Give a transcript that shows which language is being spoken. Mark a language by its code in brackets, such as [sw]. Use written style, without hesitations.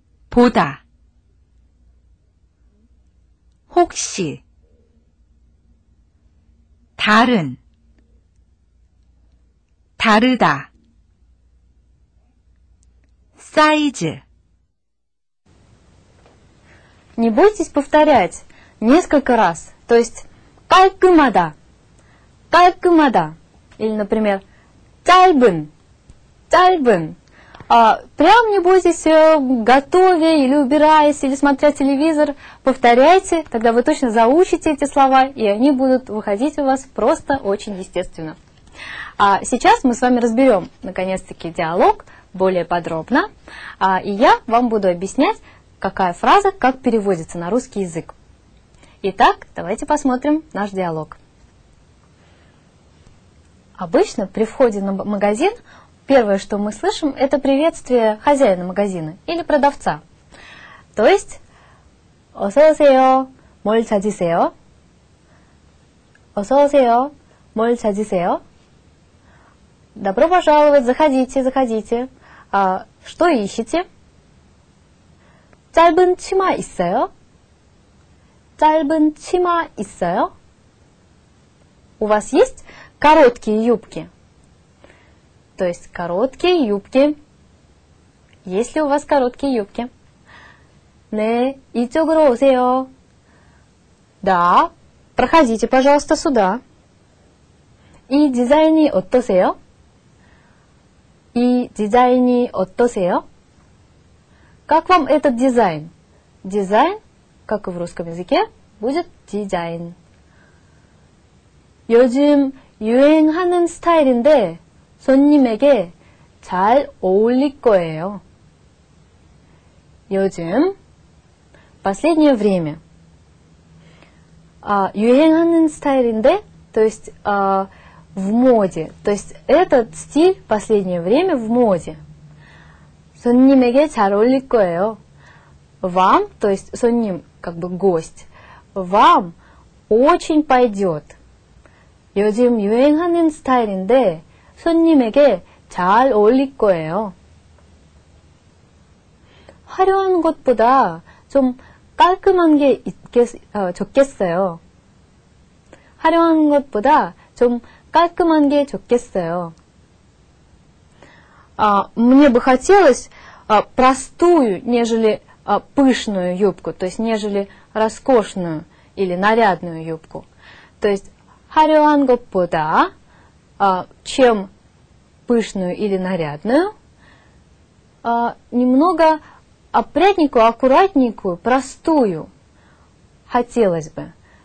[ko] 보다, 혹시, 다른, 다르다, 사이즈. [ru] Не бойтесь повторять несколько раз, то есть 깔끔하다, 깔끔하다, или, например, 짧은, 짧은. Прям не бойтесь, готовя или убираясь, или смотря телевизор, повторяйте, тогда вы точно заучите эти слова, и они будут выходить у вас просто очень естественно. Сейчас мы с вами разберем, наконец-таки, диалог более подробно, и я вам буду объяснять, какая фраза как переводится на русский язык. Итак, давайте посмотрим наш диалог. Обычно при входе на магазин первое, что мы слышим, это приветствие хозяина магазина или продавца. То есть, [ko] 어서 오세요, 뭘 찾으세요? 어서 오세요, 뭘 찾으세요? [ru] Добро пожаловать, заходите, заходите. Что ищете? [ko] 짧은 치마 있어요? 짧은 치마 있어요? [ru] У вас есть короткие юбки? То есть короткие юбки. Есть ли у вас короткие юбки? [ko] 네, 이쪽으로 오세요. [ru] Да, проходите, пожалуйста, сюда. И дизайни [ko] 어떠세요? [ru] И дизайни [ko] 어떠세요? [ru] Как вам этот дизайн? Дизайн как и в русском языке, будет дизайн. [ko] 요즘 유행하는 스타일인데 손님에게 잘 어울릴 거예요. 요즘, [ru] последнее время. [ko] 유행하는 스타일인데, [ru] то есть в моде. То есть этот стиль последнее время в моде. [ko] 손님에게 잘 어울릴 거예요. [ru] Вам, то есть 손님, как бы гость, вам очень пойдет. [ko] 요즘 유행하는 스타일인데 손님에게 잘 어울릴 거예요. 화려한 것보다 좀 깔끔한 게 좋겠어요. 화려한 것보다 좀 깔끔한 게 좋겠어요. [ru] Мне бы хотелось простую, нежели пышную юбку, то есть нежели роскошную или нарядную юбку. То есть [ko] 화려한 것보다, [ru] чем пышную или нарядную, немного опрятненькую, аккуратненькую, простую хотелось бы.